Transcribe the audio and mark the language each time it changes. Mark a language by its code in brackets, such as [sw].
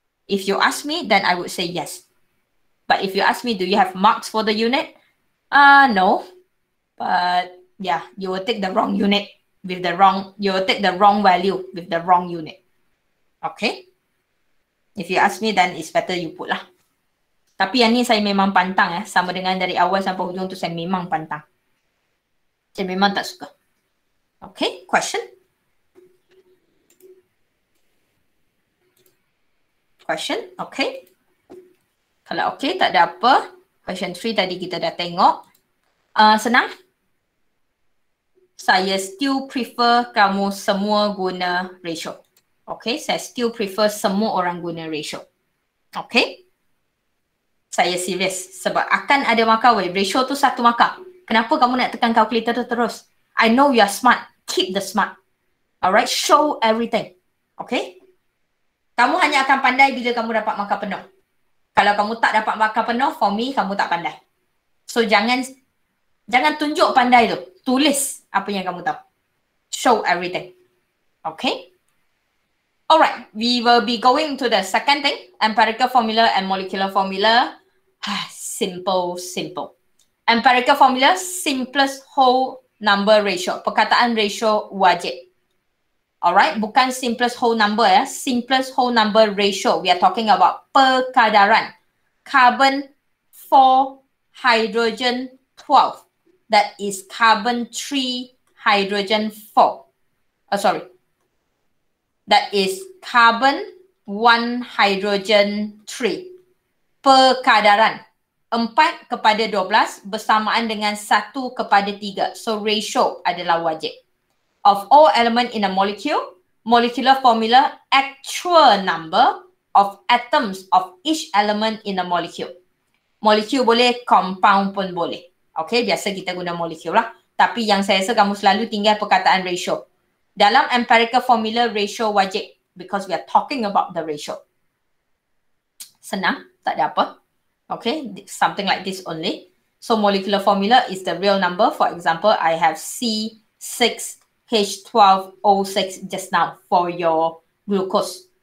[en] If you ask me, then I would say yes. But if you ask me, do you have marks for the unit? No. But yeah, you will take the wrong unit with the wrong, you will take the wrong value with the wrong unit. Okay? If you ask me, then it's better you put lah. [ms] Tapi yang ni saya memang pantang eh. Sama dengan dari awal sampai hujung tu saya memang pantang. Saya memang tak suka. [en] Okay, question? [ms] Question, okay. Kalau okay, tak ada apa. Question 3 tadi kita dah tengok. Senang? Saya [en] still prefer [ms] kamu semua guna ratio. Okay, saya [en] still prefer [ms] semua orang guna ratio. Okay? Saya serious. Sebab akan ada markah wave. Ratio tu satu markah. Kenapa kamu nak tekan calculator tu terus? [en] I know you are smart. Keep the smart. Alright? Show everything. Okay? [ms] Kamu hanya akan pandai bila kamu dapat markah penuh. Kalau kamu tak dapat markah penuh, [en] for me, [ms] kamu tak pandai. So, jangan tunjuk pandai tu. Tulis apa yang kamu tahu. [en] Show everything. Okay? Alright. We will be going to the second thing. Empirical formula and molecular formula. Simple. Empirical formula, simplest whole number ratio. [ms] Perkataan ratio wajib. Alright, bukan simplest whole number ya. [en] Simplest whole number ratio. We are talking about perkadaran. Carbon 4, hydrogen 12. That is carbon 3, hydrogen 4. That is carbon 1, hydrogen 3. [ms] Perkadaran. 4 kepada 12 bersamaan dengan 1 kepada 3. So, ratio adalah wajib. [en] Of all elements in a molecule, molecular formula, actual number of atoms of each element in a molecule. [ms] Molecule boleh, compound pun boleh. Okay, biasa kita guna molekul lah. Tapi yang saya rasa kamu selalu tinggal perkataan ratio. [en] Dalam empirical formula, ratio wajib because we are talking about the ratio. [ms] Senang, tak ada apa. [en] Okay, something like this only. So molecular formula is the real number. For example, I have C6H12O6 just now for your glucose.